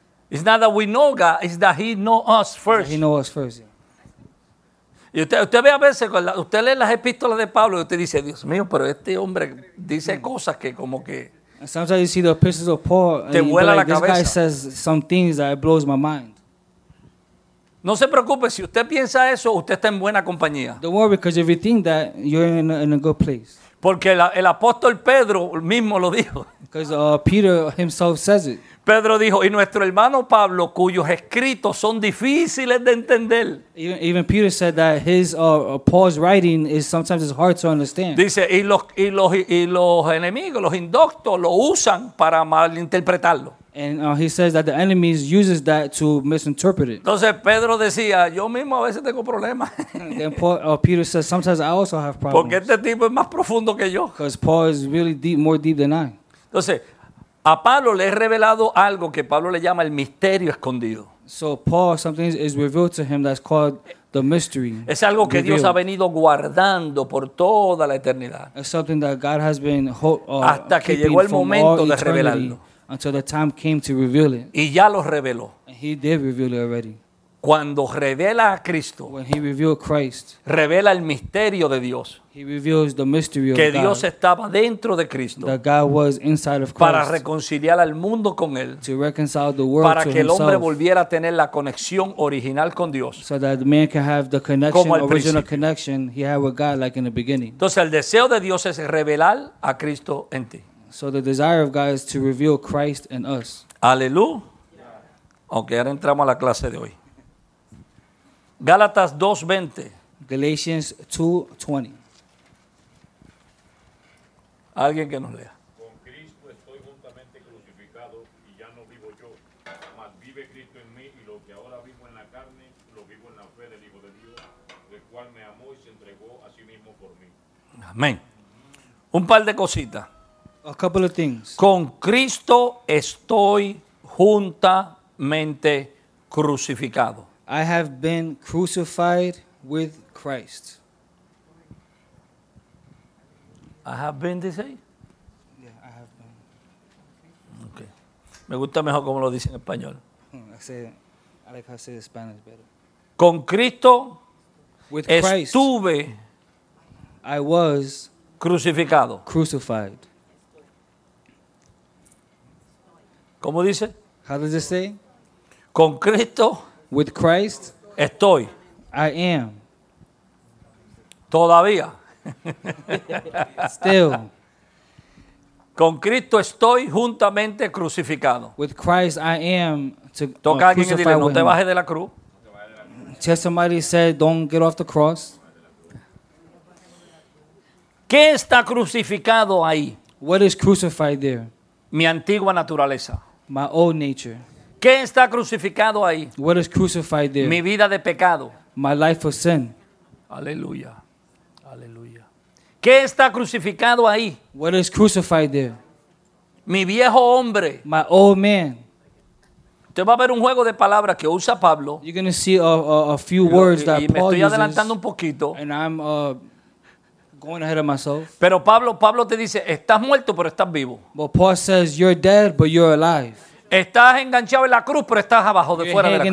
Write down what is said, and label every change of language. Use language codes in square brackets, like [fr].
[en] it's not that we know God, it's that he know us first. He know us first. [es] Y usted ve a veces, usted lee las epístolas de Pablo y usted dice, Dios mío, pero este hombre dice cosas que como que. [en] Sometimes you see the epistles of Paul, [es] te [en] and [es] vuela [en] like, [es] la cabeza. [en] This guy says some things that it blows my mind. [es] No se preocupe, si usted piensa eso, usted está en buena compañía. [en] Don't worry, because if you think that, you're in a good place. [es] Porque el apóstol Pedro mismo lo dijo. [en] Because Peter himself says it. [es] Pedro dijo, y nuestro hermano Pablo, cuyos escritos son difíciles de entender. [en] Even Peter said that his Paul's writing is sometimes it's hard to understand. [es] Dice, y los enemigos, los indoctos, lo usan para malinterpretarlo. [en] And he says that the enemy uses that to misinterpret it. [es] Entonces Pedro decía, yo mismo a veces tengo problemas. [en] Then Peter says, sometimes I also have problems. [es] Porque este tipo es más profundo que yo. [en] Because Paul is really deep, more deep than I. [es] Entonces, a Pablo le he revelado algo que Pablo le llama el misterio escondido. [en] So Paul, something is revealed to him that's called the mystery. [es] Es algo que revealed. Dios ha venido guardando por toda la eternidad. [en] It's something that God has been [es] hasta que llegó el momento de [en] eternity. [es] Revelarlo. [en] Until the time came to reveal it. [es] Y ya lo reveló. [en] And he did reveal it already. [es] Cuando revela a Cristo. [en] When he revealed Christ. [es] Revela el misterio de Dios. [en] He reveals the mystery of [es] God. Que Dios estaba dentro de Cristo. [en] That God was inside of Christ. [es] Para reconciliar al mundo con él. [en] To reconcile the world to himself. [es] Para que el hombre volviera a tener la conexión original con Dios. [en] So that man can have the connection, original connection he had with God like in the beginning. [es] Entonces el deseo de Dios es revelar a Cristo en ti. [en] So the desire of God is to reveal Christ in us. [es] Aleluya. Okay, ahora entramos a la clase de hoy. Gálatas 2:20. [en] Galatians 2:20. [es] Alguien que nos lea. Con Cristo estoy juntamente crucificado y ya no vivo yo, mas vive Cristo en mí y lo que ahora vivo en la carne, lo vivo en la fe del Hijo de Dios, el cual me amó y se entregó a sí mismo por mí. Amén. Un par de cositas. [en] A couple of things. [es] Con Cristo estoy juntamente crucificado. [en] I have been crucified with Christ. I have been, they say? Yeah, I have been. Okay. [es] Me gusta mejor como lo dice en español. [en] I like how I say the Spanish better. [es] Con Cristo [en] with [es] estuve [en] Christ, I was [es] crucificado. [en] Crucified. [es] ¿Cómo dice? [en] How does it say? [es] Con Cristo. [en] With Christ. [es] Estoy. [en] I am. [es] Todavía. [en] Still. [es] Con Cristo estoy juntamente crucificado. [en] With Christ I am [es] toca alguien y dile, no te bajes de la cruz. [en] Tell somebody, say, don't get off the cross. [es] ¿Qué está crucificado ahí? [en] What is crucified there? [es] Mi antigua naturaleza. [en] My old nature. [es] ¿Qué está crucificado ahí? [en] What is crucified there? [es] Mi vida de pecado. [en] My life of sin. [es] Aleluya. Aleluya. ¿Qué está crucificado ahí? [en] What is crucified there? [es] Mi viejo hombre. [en] My old man. [es] Usted va a ver un juego de palabras que usa Pablo. [en] You're going to see a few words that Paul uses. [es] Y me estoy adelantando un poquito. [en] And I'm going ahead of myself. [es] Pero Pablo te dice, estás muerto, pero estás vivo. [en] But Paul says, you're dead, but you're alive. [es] Estás enganchado en la cruz, pero estás abajo de fuera de la cruz.